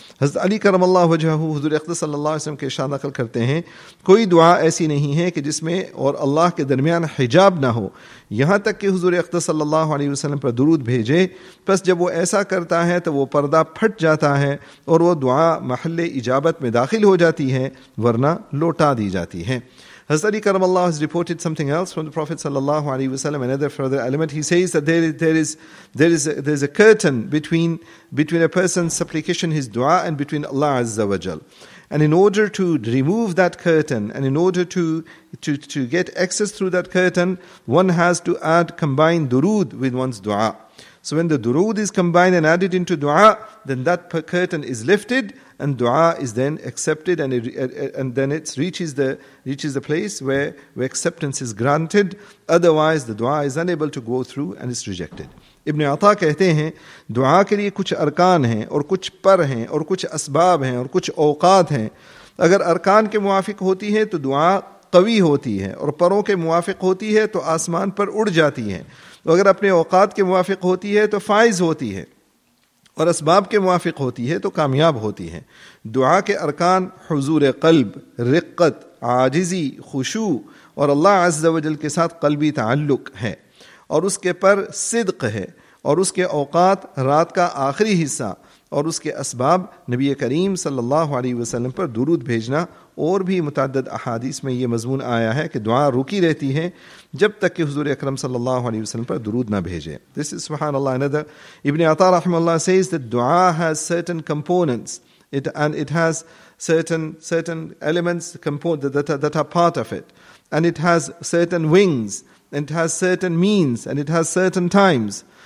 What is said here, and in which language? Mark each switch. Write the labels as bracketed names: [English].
[Urdu] حضرت علی کرم اللہ وجہہ حضور اقدس صلی اللہ علیہ وسلم کے ارشاد نقل کرتے ہیں، کوئی دعا ایسی نہیں ہے کہ جس میں اور اللہ کے درمیان حجاب نہ ہو، یہاں تک کہ حضور اقدس صلی اللہ علیہ وسلم پر درود بھیجے، پس جب وہ ایسا کرتا ہے تو وہ پردہ پھٹ جاتا ہے اور وہ دعا محل اجابت میں داخل ہو جاتی ہے، ورنہ لوٹا دی جاتی ہے۔ [English] Hazrat Ali Karam Allah has reported something else from the Prophet sallallahu alaihi wasallam, another further element. He says that there is a curtain between a person's supplication, his dua, and between Allah Azza wa Jal. And in order to remove that curtain, and in order to get access through that curtain, one has to combine durood with one's dua. So when the durood is combined and added into dua, then that curtain is lifted and dua is then accepted, and then it reaches the place where acceptance is granted. Otherwise, the dua is unable to go through and it's rejected. [Urdu] Ibn Atha کہتے ہیں، دعا کے لیے کچھ ارکان ہیں اور کچھ پر ہیں اور کچھ اسباب ہیں اور کچھ اوقات ہیں. اگر ارکان کے موافق ہوتی ہے تو دعا قوی ہوتی ہے، اور پروں کے موافق ہوتی ہے تو آسمان پر اڑ جاتی ہے، اگر اپنے اوقات کے موافق ہوتی ہے تو فائز ہوتی ہے، اور اسباب کے موافق ہوتی ہے تو کامیاب ہوتی ہے. دعا کے ارکان حضور قلب، رقت، عاجزی، خشوع، اور اللہ عز و جل کے ساتھ قلبی تعلق ہے، اور اس کے پر صدق ہے، اور اس کے اوقات رات کا آخری حصہ، اور اس کے اسباب نبی کریم صلی اللہ علیہ وسلم پر درود بھیجنا. اور بھی متعدد احادیث میں یہ مضمون آیا ہے کہ دعا رکی رہتی ہے جب تک کہ حضور اکرم صلی اللہ علیہ وسلم پر درود نہ بھیجے. [English] This is subhanallah another. Ibn Atha رحمہ اللہ says that dua has certain components and it has certain elements that are part of it, and it has certain wings, and it has certain means, and it has certain times.